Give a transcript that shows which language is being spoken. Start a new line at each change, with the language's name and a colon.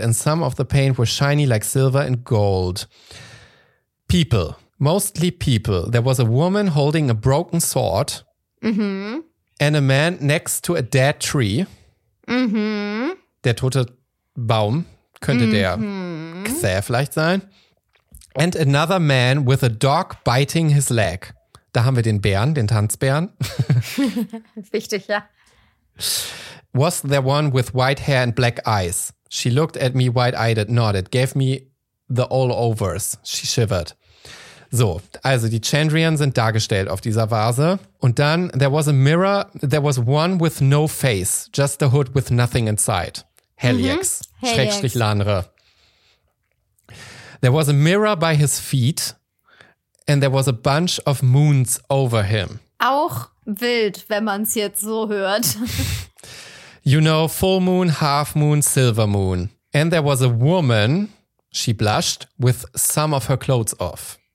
English: And some of the paint was shiny like silver and gold. People. Mostly people. There was a woman holding a broken sword. And a man next to a dead tree.
German: Der tote Baum könnte der Xer vielleicht sein.
English: And another man with a dog biting his leg.
German: Da haben wir den Bären, den Tanzbären. Wichtig, ja.
English: Was there one with white hair and black eyes? She looked at me wide-eyed and nodded. Gave me the all-overs. She shivered.
German: So, also die Chandrian sind dargestellt auf dieser Vase. Und dann,
English: there was a mirror. There was one with no face. Just a hood with nothing inside. Heliax. / Lanre. There was a mirror by his feet. And there was a bunch of moons over him.
German: Auch wild, wenn man es jetzt so hört.
English: You know, full moon, half moon, silver moon. And there was a woman, she blushed, with some of her clothes off.